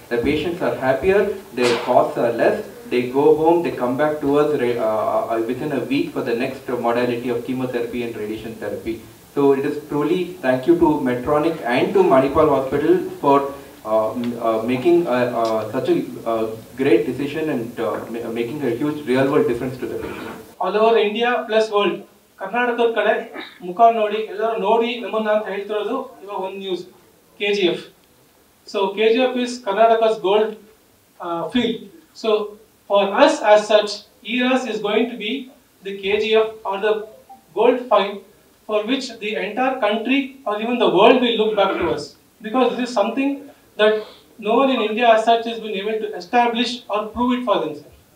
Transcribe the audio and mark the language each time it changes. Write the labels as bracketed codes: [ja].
[en] The patients are happier, their costs are less, they go home, they come back to us within a week for the next modality of chemotherapy and radiation therapy. So it is truly thank you to Medtronic and to Manipal Hospital for making such a great decision and making a huge real world difference to the patient. All over India plus world. [kn] ಕರ್ನಾಟಕದ ಕಡೆ ಮುಖ ನೋಡಿ ಎಲ್ಲರೂ ನೋಡಿ ನಮ್ಮನ್ನ ಅಂತ ಹೇಳ್ತಿರೋದು ಇವಾಗ ಒಂದು news, KGF. [en] So KGF is Karnataka's gold field. So for us as such, ERAS is going to be the KGF are the gold fine for which the entire country or even the world will look back to us, because this is something that no one in India as such has been able to establish or prove it for themselves.